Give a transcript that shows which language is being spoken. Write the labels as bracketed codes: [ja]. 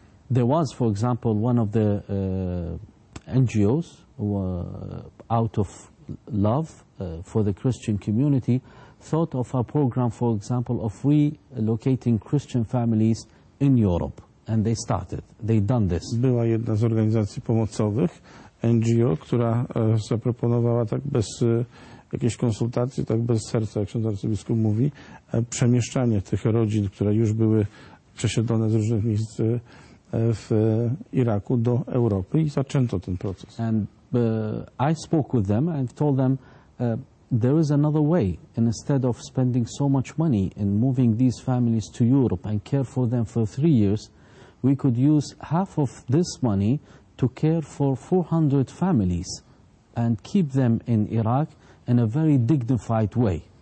[en] There was, for example, one of the NGOs out of love for the Christian community thought of a program, for example, of relocating Christian families in Europe. And they started. They've done this. [pl] Była jedna z organizacji pomocowych, NGO, która zaproponowała tak bez jakiejś konsultacji, tak bez serca, jak ksiądz arcybiskup mówi, przemieszczanie tych rodzin, które już były przesiedlone z różnych miejsc w Iraku do Europy i zaczęto ten proces. [en] And I spoke with them and told them there is another way. And instead of spending so much money in moving these families to Europe and care for them for 3 years, we could use half of this money to care for 400 families and keep them in Iraq in a very dignified way.